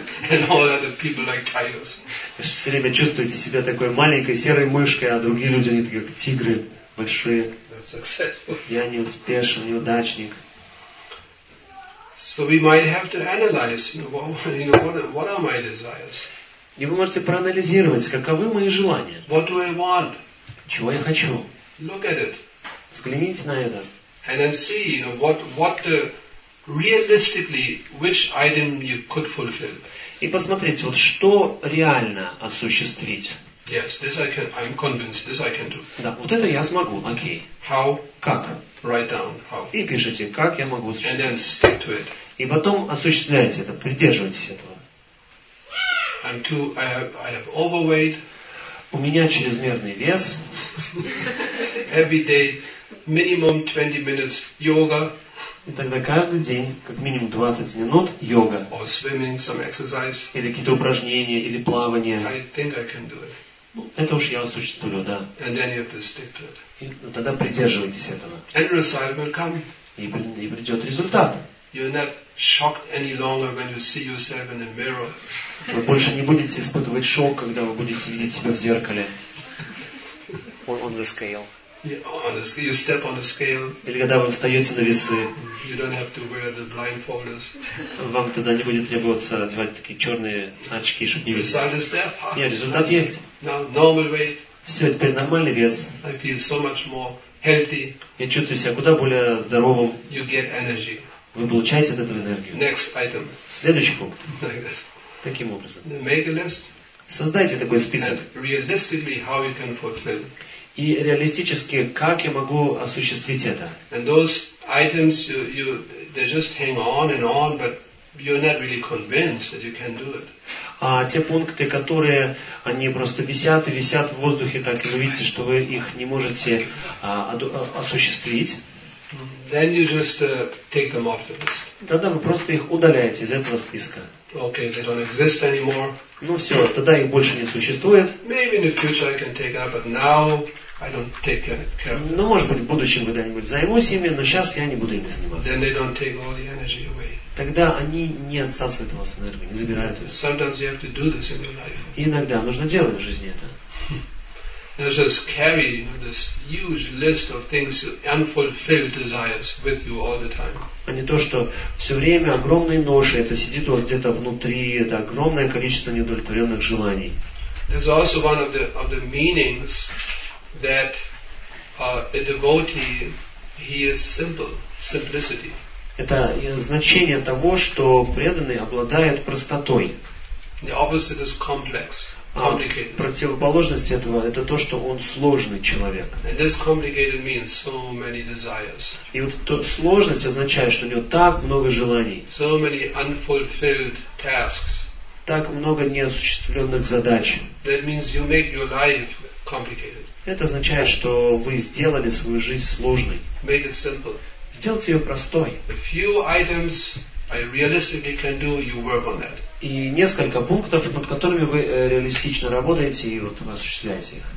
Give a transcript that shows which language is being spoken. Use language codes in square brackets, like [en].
[en] And all other people like tigers. [ru] Вы все время чувствуете себя такой маленькой серой мышкой, а другие люди, они такие, как тигры, большие. [en] That's successful. [ru] Я неуспешен, неудачник. [en] So we might have to analyze, what are my desires? [ru] И вы можете проанализировать, каковы мои желания. [en] What do I want? [ru] Чего я хочу? [en] Look at it. [ru] Взгляните на это. [en] And then see, what realistically, which item you could fulfill. [ru] И посмотрите, вот что реально осуществить. [en] Yes, this I can. I'm convinced this I can do. [ru] Да, вот это я смогу. Окей. [en] How? [ru] Как? [en] Write down how. [ru] И пишите, как я могу осуществить. [en] And then stick to it. [ru] И потом осуществляйте это, придерживайтесь этого. [en] I'm too. I have overweight. [ru] У меня чрезмерный вес. [en] Every day, minimum 20 minutes yoga. [ru] И тогда каждый день, как минимум 20 минут, йога. [en] Or swimming, some exercise. [ru] Или какие-то упражнения, или плавание. [en] I think I can do it. [ru] Ну, это уж я осуществлю, да. [en] And then you have to stick to it. [ru] И, ну, тогда придерживайтесь этого. [en] And result will come. [ru] И придет результат. [en] You're not shocked any longer when you see yourself in the mirror. [ru] Вы больше не будете испытывать шок, когда вы будете видеть себя в зеркале. [en] On the scale. Yeah, honestly, you step on the scale. [ru] Или когда вы встаете на весы. [en] You don't have to wear the blindfolders. [ru] Вам тогда не будет требоваться одевать такие черные очки, чтобы не видеть. Нет, результат есть. [en] Now normal weight. [ru] Все, теперь нормальный вес. [en] I feel so much more healthy. [ru] Я чувствую себя куда более здоровым. [en] You get energy. [ru] Вы получаете от этого энергию. [en] Next item. [ru] Следующий пункт. [en] Like this. [ru] Таким образом. [en] Make a list. [ru] Создайте такой список. [en] And realistically, how you can fulfill. [ru] И реалистически, как я могу осуществить это? [en] And those items, they just hang on and on, but you're not really convinced that you can do it. [ru] А те пункты, которые они просто висят и висят в воздухе, так и вы видите, что вы их не можете осуществить. [en] Then you just take them off the list. [ru] Тогда вы просто их удаляете из этого списка. [en] Okay, they don't exist anymore. [ru] Ну все, тогда их больше не существует. [en] Maybe in the future I can take up, but now I don't take care of them. [ru] Ну, может быть, в будущем когда-нибудь займусь ими, но сейчас я не буду ими заниматься. [en] Then they don't take all the energy away. [ru] Тогда они не отсасывают у вас энергию, не забирают ее. [en] Sometimes you have to do this in your life. [ru] И иногда нужно делать в жизни это. [en] You just carry this huge list of things, unfulfilled desires, with you all the time. [ru] А не то, что все время огромные ноши, это сидит у вас где-то внутри, это огромное количество неудовлетворенных желаний. [en] There's also one of the meanings that a devotee he is simple, simplicity. [ru] Это значение того, что преданный обладает простотой. [en] The opposite is complex. [ru] А противоположность этого – это то, что он сложный человек. [en] And this complicated means so many desires. [ru] И вот эта сложность означает, что у него так много желаний. [en] So many unfulfilled tasks. [ru] Так много неосуществленных задач. [en] That means you make your life complicated. [ru] Это означает, что вы сделали свою жизнь сложной. [en] Make it simple. [ru] Сделайте ее простой. [en] A few items I realistically can do, you work on that. [ru] И несколько пунктов, над которыми вы реалистично работаете и вот вы осуществляете их.